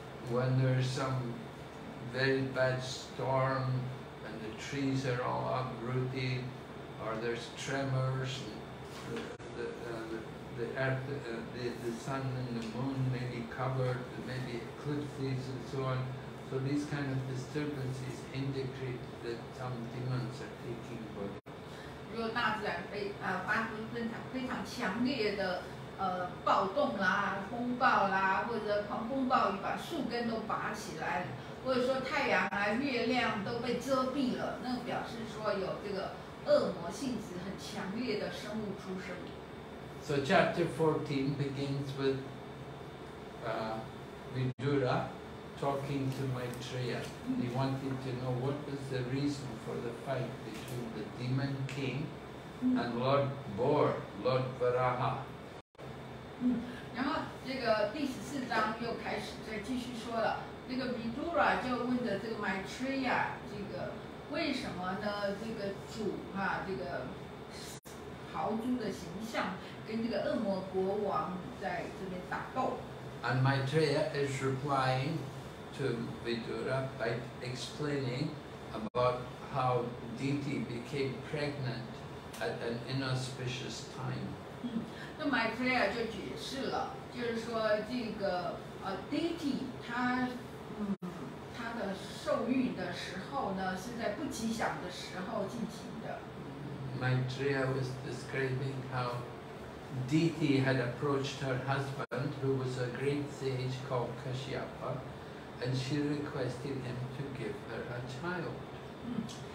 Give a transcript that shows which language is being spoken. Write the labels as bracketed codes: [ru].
[en] When there's some very bad storm and the trees are all uprooted, or there's tremors, the sun and the moon may be covered, there may be eclipses and so on. So these kind of disturbances indicate that some demons are taking body. [zh] 如果大自然被发出非常强烈的暴动啦，风暴啦，或者狂风暴雨把树根都拔起来，或者说太阳啊、月亮都被遮蔽了，那表示说有这个恶魔性质很强烈的生物出生。 [en] So chapter 14 begins with Vidura talking to Maitreya. He wanted to know what was the reason for the fight between the demon king and Lord Boar, Lord Varaha. [zh] 然后这个第十四章又开始再继续说了。这个 Vidura 就问的这个 Maitreya 这个为什么呢？这个主啊，这个豪猪的形象跟这个恶魔国王在这边打斗。 [en] And Maitreya is replying to Vidura by explaining about how Diti became pregnant at an inauspicious time. [zh] 那 Maitreya 就解释了，就是说这个Diti 他。他的受孕的时候呢，是在不吉祥的时候进行的。 [en] Maitreya was describing how Diti had approached her husband, who was a great sage called Kashyapa, and she requested him to give her a child.